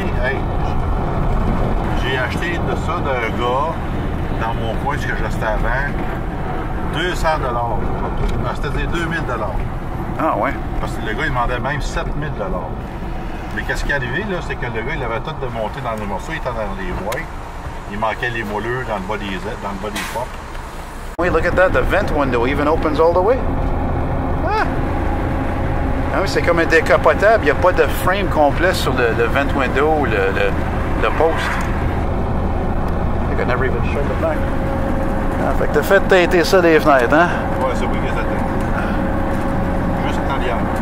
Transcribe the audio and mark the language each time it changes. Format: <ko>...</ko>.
<fr>Hey, j'ai acheté de ça d'un gars dans mon coin, ce que j'étais avant. 200$. C'était 2000$. Ah ouais. Parce que le gars, il demandait même 7000$. Mais qu'est-ce qui est arrivé, là, c'est que le gars, il avait tout démonté dans les morceaux, il était dans les voies. Il manquait les moelleux dans le bas des ailes, dans le bas des portes.</fr> <en>Wait, look at that, the vent window even opens all the way. Ah!</en> <fr>Ah, c'est comme un décapotable, il n'y a pas de frame complet sur le vent window ou le post.</fr> <en>I could never even show the back.</en> <fr>Ah, fait que t'as fait teinter ça des fenêtres, hein? Ouais, c'est oui que c'était. Juste en arrière.</fr>